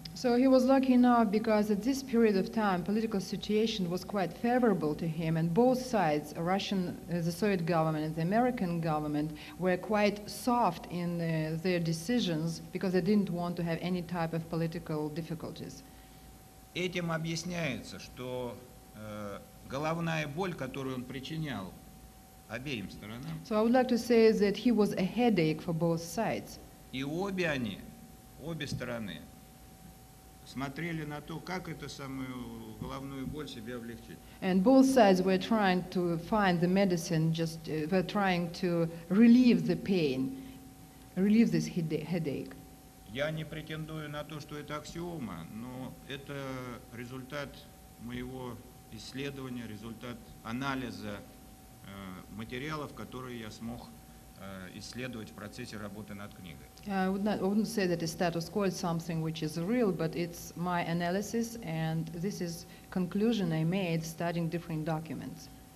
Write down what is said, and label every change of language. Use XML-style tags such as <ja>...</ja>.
<en>So he was lucky enough because at this period of time, political situation was quite favorable to him, and both sides, Russian, the Soviet government and the American government, were quite soft in their decisions because they didn't want to have any type of political difficulties.</en> <ru>Этим объясняется, что головная боль, которую он причинял обеим сторонам.</ru> <en>So I would like to say that he was a headache for both sides.</en> <ru>И обе они, обе стороны, смотрели на то, как эту самую головную боль себе облегчить.</ru> <en>And both sides were trying to find the medicine, just were trying to relieve the pain, relieve this headache.</en> <ru>Я не претендую на то, что это аксиома, но это результат моего исследования, результат анализа материалов, которые я смог исследовать в процессе работы над книгой.</ru> <en>I wouldn't say that the status quo is something which is real, but it's my analysis, and this is conclusion I made studying different documents.</en>